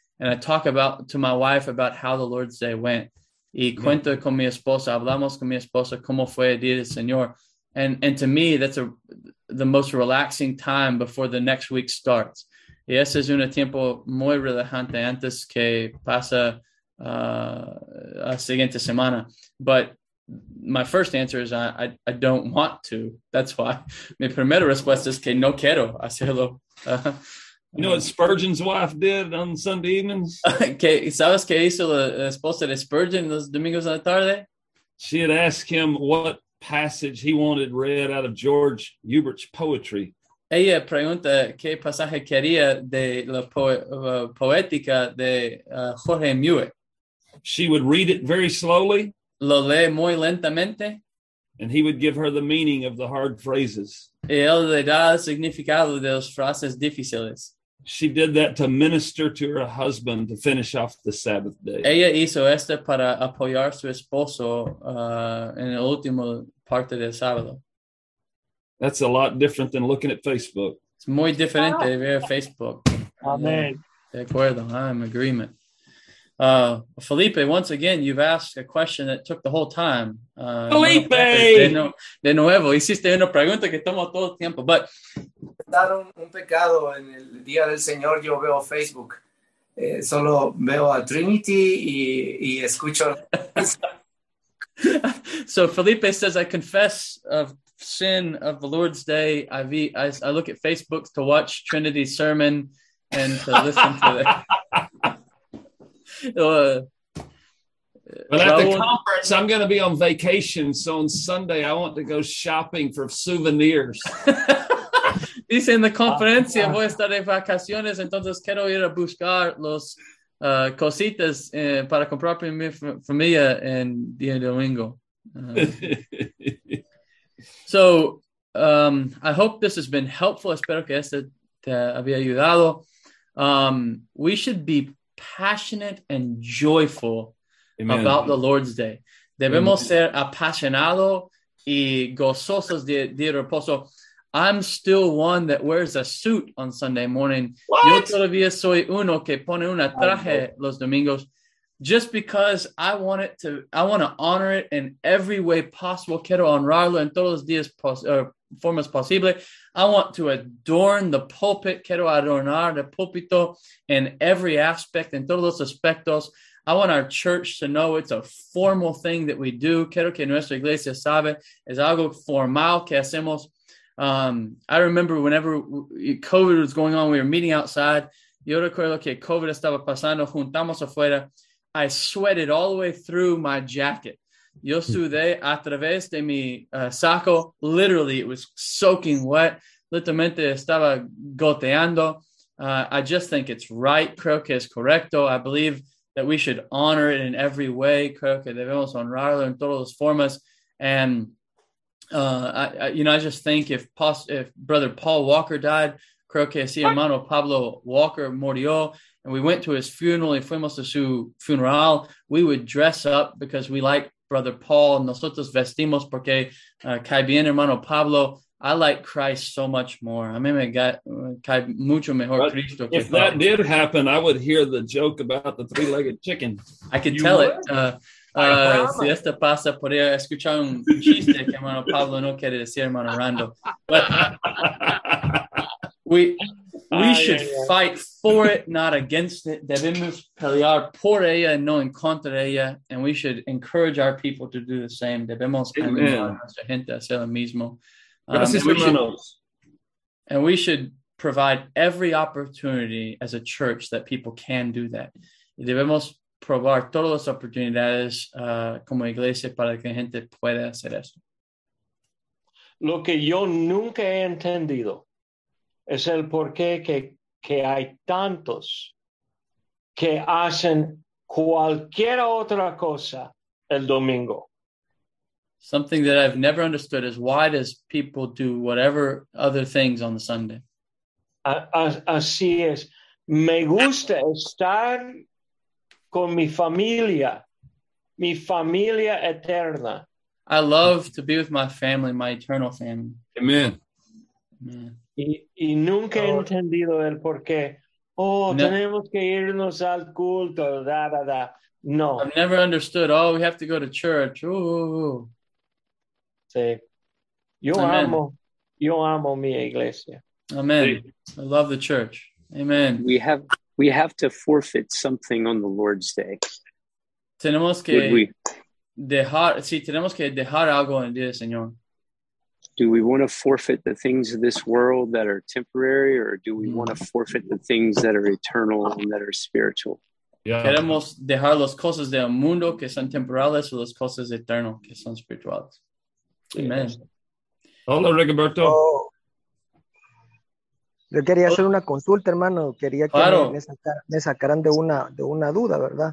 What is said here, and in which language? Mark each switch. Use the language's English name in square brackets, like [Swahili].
[English] And I talk about to my wife about how the Lord's Day went. [Spanish] Y cuento con mi esposa. [English] Hablamos con mi esposa. [Spanish] ¿Cómo fue el día del Señor? [English] And to me, that's the most relaxing time before the next week starts. [Spanish] Y ese es un tiempo muy relajante antes que pasa la siguiente semana. [English] But my first answer is I don't want to. That's why. [Spanish] Mi primera respuesta es que no quiero hacerlo. [English] You know what Spurgeon's wife did on Sunday evenings? [Spanish] ¿Sabes qué hizo la esposa de Spurgeon los domingos a la tarde? [English] She had asked him what passage he wanted read out of George Hubert's poetry. [Spanish] Ella pregunta qué pasaje quería de la poética de Jorge Muir. [English] She would read it very slowly. [Spanish] Lo lee muy lentamente. [English] And he would give her the meaning of the hard phrases. [Spanish] Y él le da el significado de las frases difíciles. [English] She did that to minister to her husband to finish off the Sabbath day. [Spanish] Ella hizo esto para apoyar su esposo en la última parte del sábado. [English] That's a lot different than looking at Facebook. [Spanish] Es muy diferente de ver Facebook. [English] Amen. [Spanish] De acuerdo, [English] I'm agreement. Felipe, once again, you've asked a question that took the whole time. Felipe! [Spanish] De nuevo, hiciste una pregunta que tomó todo el tiempo, [English] but... [Spanish] Dar un pecado en el Día del Señor, yo veo Facebook. Solo veo a Trinity y escucho... [English] So Felipe says, I confess of sin of the Lord's Day. I look at Facebook to watch Trinity's sermon and to listen to it. But at the conference, I'm going to be on vacation. So on Sunday, I want to go shopping for souvenirs. [Spanish] Dice en la conferencia, voy a estar de vacaciones. Entonces quiero ir a buscar los cositas para comprar para mi familia en día domingo. [English] So I hope this has been helpful. [Spanish] Espero que este te había ayudado. [English] We should be passionate and joyful. Amen. About the Lord's Day. [Spanish] Debemos ser apasionado y gozosos de reposo. [English] I'm still one that wears a suit on Sunday morning. What? [Spanish] Yo todavía soy uno que pone una traje los domingos, [English] just because I want to honor it in every way possible. [Spanish] Quiero honrarlo en todos los días formas posible. [English] I want to adorn the pulpit. [Spanish] Quiero adornar el púlpito [English] in every aspect, [Spanish] en todos los aspectos. [English] I want our church to know it's a formal thing that we do. [Spanish] Quiero que nuestra iglesia sabe es algo formal que hacemos. [English] I remember whenever COVID was going on, we were meeting outside. [Spanish] Yo recuerdo que COVID estaba pasando, juntamos afuera. [English] I sweated all the way through my jacket. [Spanish] Yo sudé a través de mi saco. [English] Literally, it was soaking wet. [Spanish] Literalmente estaba goteando. [English] I just think it's right. [Spanish] Creo que es correcto. [English] I believe that we should honor it in every way. [Spanish] Creo que debemos honrarlo en todas las formas. [English] And I just think if Brother Paul Walker died, [Spanish] creo que si hermano Pablo Walker murió, [English] and we went to his funeral [Spanish] y fuimos a su funeral, [English] we would dress up because we like Brother Paul. [Spanish] Nosotros vestimos porque cae bien hermano Pablo. [English] I like Christ so much more. [Spanish] A mí me cae mucho mejor Cristo. [English] If that did happen, I would hear the joke about the three-legged chicken. I could tell it. [Spanish] Si esto pasa, podría escuchar un chiste que hermano Pablo no quiere decir, hermano Rando. [English] But, We should fight for it, not against it. [Spanish] Debemos pelear por ella, no en contra de ella. [English] And we should encourage our people to do the same. [Spanish] Debemos animar a nuestra gente a hacer lo mismo. [English] And we should provide every opportunity as a church that people can do that. [Spanish] Debemos probar todas las oportunidades como iglesia para que la gente pueda hacer esto. Lo que yo nunca he entendido es el por qué que hay tantos que hacen cualquier otra cosa el domingo. [English] Something that I've never understood is why does people do whatever other things on the Sunday? [Spanish] Así es. Me gusta estar con mi familia eterna. [English] I love to be with my family, my eternal family. Amen. [Spanish] Y nunca he entendido el por qué. Oh, no. Tenemos que irnos al culto, da, da, da. No. [English] I've never understood, oh, we have to go to church. Ooh. [Spanish] Sí. Yo amo mi iglesia. [English] Amen. Sí. I love the church. Amen. We have to forfeit something on the Lord's Day. [Spanish] Tenemos que... [English] Would we? [Spanish] Dejar, sí, tenemos que dejar algo en Dios, Señor. [English] Do we want to forfeit the things of this world that are temporary, or do we want to forfeit the things that are eternal and that are spiritual? Yeah. [Spanish] Queremos dejar las cosas del mundo que son temporales o las cosas eternas que son espirituales. [English] Amen. Yes. Hola, Rigoberto. Oh. [Spanish] Yo quería hacer una consulta, hermano. Quería que me sacaran de una duda, ¿verdad?